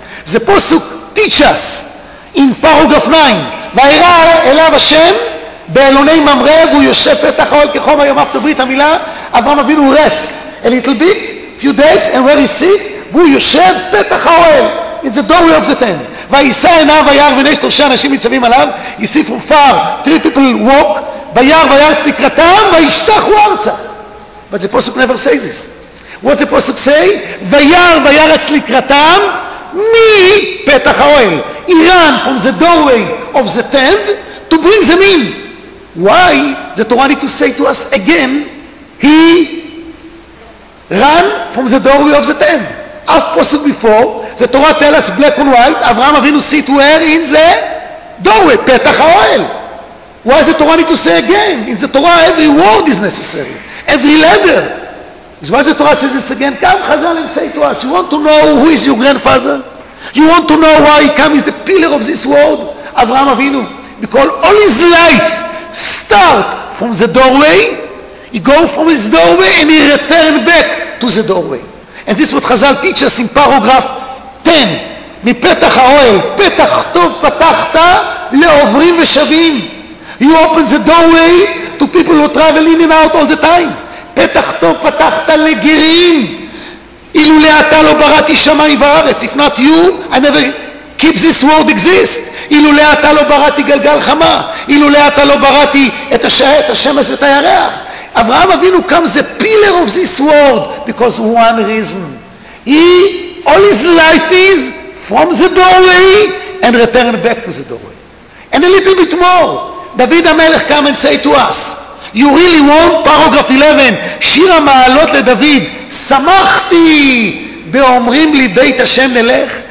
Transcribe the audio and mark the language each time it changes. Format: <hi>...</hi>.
<en>The posuk teach us in paragraph 9,</en> <he>Vayera Elav Hashem באלוני ממרב, הוא יושב פתח אוהל כחום היום אף תברית המילה, אברהם אבינו</he> <en>rest a little bit, few days, and where he sit,</en> <he>והוא יושב פתח האוהל,</he> <en>in the doorway of the tent.</en> <he>וישא עיניו וירא והנה שלושה אנשים מצווים עליו,</he> <en>he see from far, three people walk,</en> <he>וירא וירץ לקראתם, וישתחו ארצה.</he> <en>But the pasuk never says this. What the pasuk say?</en> <he>וירא וירץ לקראתם, מפתח האוהל.</he> <en>He ran from the doorway of the tent, to bring them in. Why the Torah need to say to us again, he ran from the doorway of the tent? Half pasuk before, the Torah tell us black and white, Avraham Avinu sit where? In the doorway, petach ha'ohel. Why the Torah need to say again? In the Torah every word is necessary. Every letter. Is why the Torah says this again? Come Chazal and say to us, you want to know who is your grandfather? You want to know why he comes as the pillar of this world? Avraham Avinu. Because all his life start from the doorway, he go from his doorway and he return back to the doorway. And this is what Chazal teaches us in paragraph 10.</en> <he>מפתח האוהל, פתח טוב פתחת לעוברים ושבים.</he> <en>You open the doorway to people who travel in and out all the time.</en> <he>פתח טוב פתחת לגרים. אילולא אתה לא בראתי שמיים וארץ.</he> <en>If not you, I never keep this world exist.</en> <he>אילולא אתה לא בראתי גלגל חמה, אילולא אתה לא בראתי את השמש ואת הירח.</he> <en>אברהם אבינו</en> <he>קם זה</he> <en>pillar of this world because one reason. He, all his life is from the doorway and return back to the doorway. And a little bit more, דוד המלך come and say to us, you really want paragraph 11,</en> <he>שיר המעלות לדוד, שמחתי באומרים לי בית השם נלך.</he>